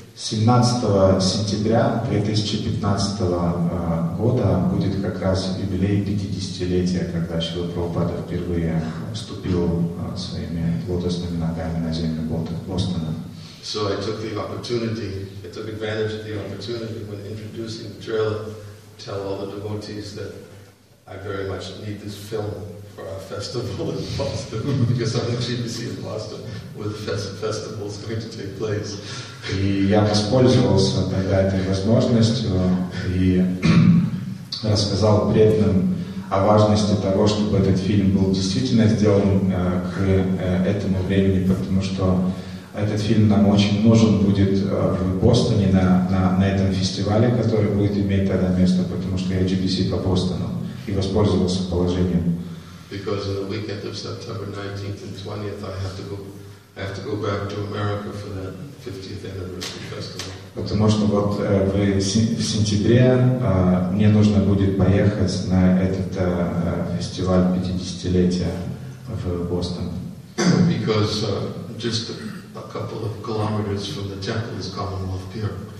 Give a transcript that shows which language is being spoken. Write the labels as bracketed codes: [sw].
[ru] 17 сентября 2015 года будет как раз юбилей 50-летия, когда Шрила Прабхупада впервые вступил своими лотосными ногами на землю Бостона. [en] So I took advantage of the opportunity when introducing the trailer to tell all the devotees that I very much need this film for our festival in Boston because I'm the GBC in Boston where the festival is going to take place. [ru] И я воспользовался тогда этой возможностью и рассказал преданным о важности того, чтобы этот фильм был действительно сделан к этому времени, потому что Этот фильм нам очень нужен будет в Бостоне на этом фестивале, который будет иметь тогда место, потому что я GBC по Бостону и воспользовался положением. [en] Because in the weekend of September 19th and 20th, I have to go back to America for that 50th anniversary festival. [ru] Потому что вот в сентябре мне нужно будет поехать на этот фестиваль 50-летия в Бостон. [en] Because just a couple of kilometers from the temple is Commonwealth Pier.